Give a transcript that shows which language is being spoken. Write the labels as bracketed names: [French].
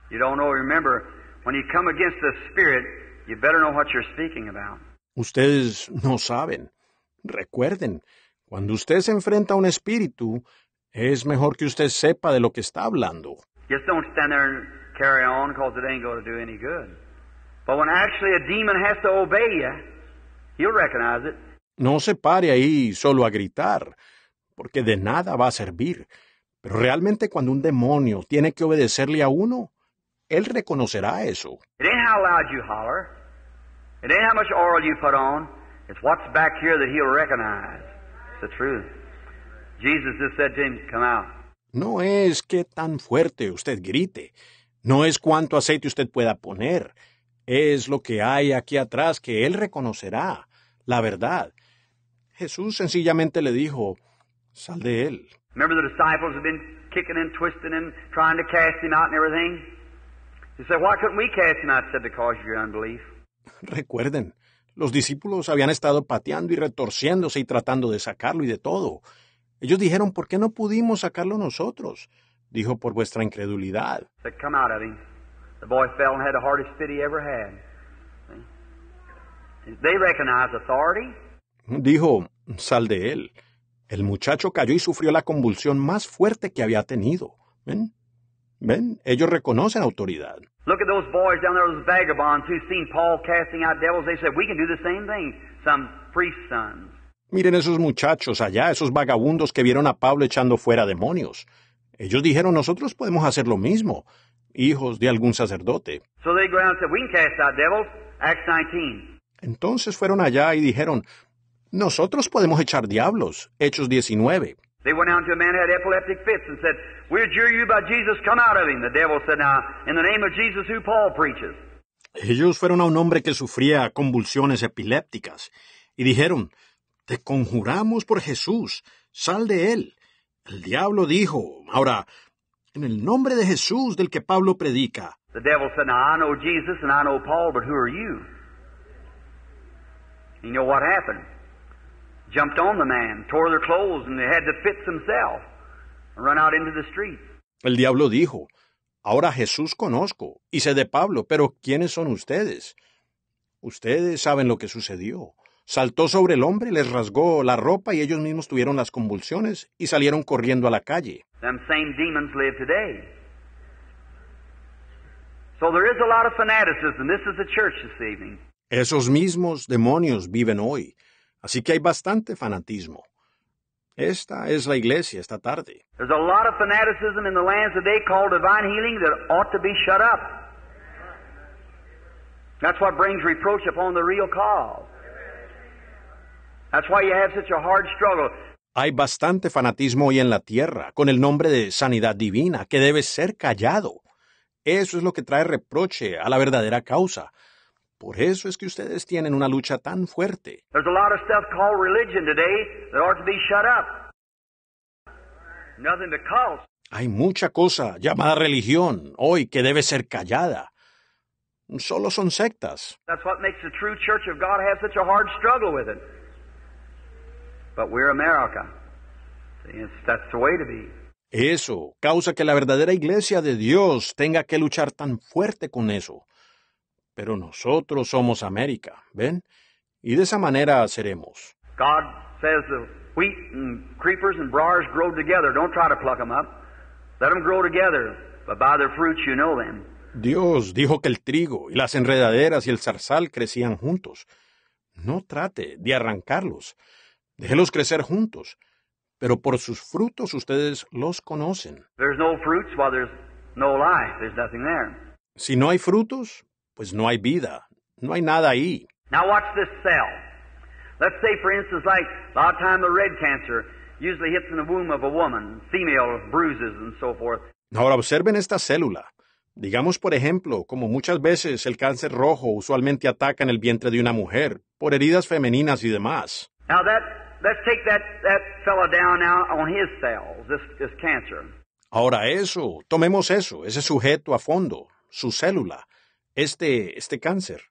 [English] You don't know, remember, when you come against the spirit, you better know what you're speaking about. [Spanish] Ustedes no saben. Recuerden, cuando usted se enfrenta a un espíritu, es mejor que usted sepa de lo que está hablando. [English] Just don't stand there and carry on, because it ain't going to do any good. But when actually a demon has to obey you, you'll recognize it. [Spanish] No se pare ahí solo a gritar, porque de nada va a servir. Pero realmente cuando un demonio tiene que obedecerle a uno, él reconocerá eso. [English] It ain't how loud you holler. It ain't how much oil you put on. It's what's back here that he'll recognize. It's the truth. Jesus just said to him, come out. [Spanish] No es qué tan fuerte usted grite. No es cuánto aceite usted pueda poner. Es lo que hay aquí atrás que él reconocerá. La verdad. Jesús sencillamente le dijo, sal de él. [English] Remember the disciples have been kicking and twisting and trying to cast him out and everything? He said, why couldn't we cast him out? Said, because of your unbelief. [Spanish] Recuerden, los discípulos habían estado pateando y retorciéndose y tratando de sacarlo y de todo. Ellos dijeron, ¿por qué no pudimos sacarlo nosotros? Dijo, por vuestra incredulidad. [English] He said, come out of him. The boy fell and had the hardest fit he ever had. They recognize authority. [Spanish] Dijo, sal de él. El muchacho cayó y sufrió la convulsión más fuerte que había tenido. ¿Ven? ¿Ven? Ellos reconocen autoridad. [English] Look at those boys down there, those vagabonds who've seen Paul casting out devils. They said, we can do the same thing, some priest's sons. [Spanish] Miren esos muchachos allá, esos vagabundos que vieron a Pablo echando fuera demonios. Ellos dijeron, nosotros podemos hacer lo mismo, hijos de algún sacerdote. [English] So they go out and said, we can cast out devils, Acts 19. [Spanish] Entonces fueron allá y dijeron, nosotros podemos echar diablos. Hechos 19. [English] They went out to a man who had epileptic fits and said, we adjure you by Jesus, come out of him. The devil said, now, in the name of Jesus, who Paul preaches. [Spanish] Ellos fueron a un hombre que sufría convulsiones epilépticas y dijeron, te conjuramos por Jesús, sal de él. El diablo dijo, ahora, en el nombre de Jesús del que Pablo predica. [English] The devil said, now, I know Jesus and I know Paul, but who are you? You know what happened? Jumped on the man, tore their clothes, and they had the fits themselves, and run out into the street. [Spanish] El diablo dijo, ahora Jesús conozco, y sé de Pablo, pero ¿quiénes son ustedes? Ustedes saben lo que sucedió. Saltó sobre el hombre, les rasgó la ropa, y ellos mismos tuvieron las convulsiones, y salieron corriendo a la calle. [English] Them same demons live today. So there is a lot of fanaticism. This is the church this evening. [Spanish] Esos mismos demonios viven hoy. Así que hay bastante fanatismo. Esta es la iglesia esta tarde. [English] There's a lot of fanaticism in the lands today called divine healing that ought to be shut up. That's what brings reproach upon the real cause. That's why you have such a hard struggle. [Spanish] Hay bastante fanatismo hoy en la tierra con el nombre de sanidad divina que debe ser callado. Eso es lo que trae reproche a la verdadera causa. Por eso es que ustedes tienen una lucha tan fuerte. [English] There's a lot of stuff called religion today that ought to be shut up. Nothing but cults. [Spanish] Hay mucha cosa llamada religión hoy que debe ser callada. Solo son sectas. [English] That's what makes the true church of God have such a hard struggle with it. But we're America. See, that's the way to be. [Spanish] Eso causa que la verdadera iglesia de Dios tenga que luchar tan fuerte con eso. Pero nosotros somos América, ¿ven? Y de esa manera seremos. [English] God says the wheat and creepers and briars grow together. Don't try to pluck them up. Let them grow together, but by their fruits you know them. [Spanish] Dios dijo que el trigo y las enredaderas y el zarzal crecían juntos. No trate de arrancarlos. Déjelos crecer juntos. Pero por sus frutos ustedes los conocen. [English] There's no fruits while there's no life. There's nothing there. [Spanish] Si no hay frutos, pues no hay vida. No hay nada ahí. [English] Now watch this cell. Let's say, for instance, like a lot of time the red cancer usually hits in the womb of a woman, female bruises and so forth. [Spanish] Ahora observen esta célula. Digamos, por ejemplo, como muchas veces el cáncer rojo usualmente ataca en el vientre de una mujer por heridas femeninas y demás. [English] Now let's take that fellow down now on his cells, this cancer. [Spanish] Ahora eso, tomemos eso, ese sujeto a fondo, su célula, este cáncer.